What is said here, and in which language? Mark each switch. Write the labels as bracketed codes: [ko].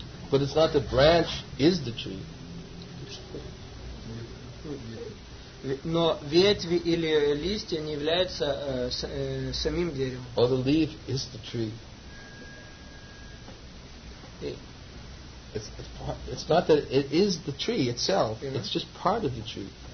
[en] But it's not the branch is the tree. [ru] Но ветви или листья не являются самим деревом. [en] Or the leaf is the tree. It's not that it is the tree itself. You know? It's just part of the tree.